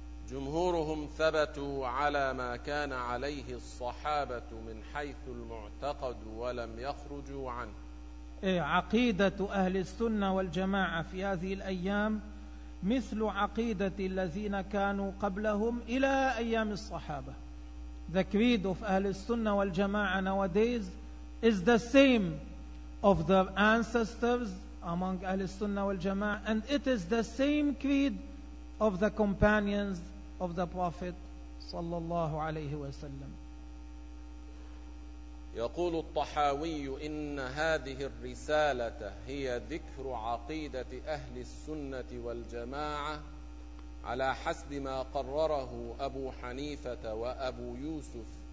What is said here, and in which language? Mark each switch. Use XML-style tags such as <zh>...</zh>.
<ar>جمهورهم ثبتوا على ما كان عليه الصحابة من حيث المعتقد ولم يخرجوا عنه. عقيدة أهل السنة والجماعة في هذه الأيام مثل عقيدة الذين كانوا قبلهم إلى أيام الصحابة.</ar> <en>The creed of أهل السنة والجماعة nowadays is the same of their ancestors among أهل السنة والجماعة, and it is the same creed of the companions of the Prophet صلى الله عليه وسلم.</en> <ar>يقول الطحاوي إن هذه الرسالة هي ذكر عقيدة أهل السنة والجماعة على حسب ما قرره أبو حنيفة وأبو يوسف</ar>